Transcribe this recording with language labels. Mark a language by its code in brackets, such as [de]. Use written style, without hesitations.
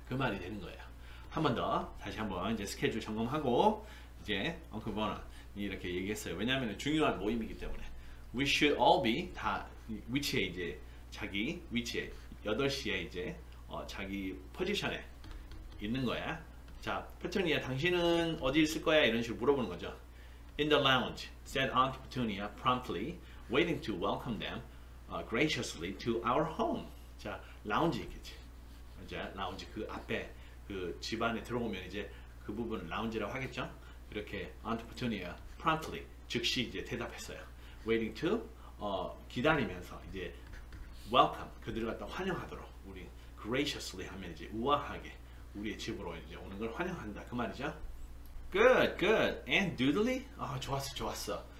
[ko] 그 말이 되는 거예요. 한번 더, 다시 한번 이제 스케줄 점검하고, 이제 Uncle Vernon. 이렇게 얘기했어요. 왜냐하면 중요한 모임이기 때문에 [en] We should all be [ko] 다 위치에 이제 자기 위치에 8시에 이제 자기 포지션에 있는 거야. 자, 페트니아 당신은 어디 있을 거야? 이런 식으로 물어보는 거죠. [en] In the lounge, said Aunt Petunia promptly, waiting to welcome them graciously to our home. [ko] 자, 라운지 있겠지. 자, 라운지 그 앞에 그집 안에 들어오면 이제 그 부분은 라운지라고 하겠죠? 이렇게 Aunt Petunia promptly 즉시 이제 대답했어요. [en] Waiting to [ko] 기다리면서 이제 welcome 그들을 갖다 환영하도록 우리 graciously 하면 이제 우아하게 우리의 집으로 이제 오는 걸 환영한다 그 말이죠. [en] Good, good. And doodly? [ko] 좋았어, 좋았어.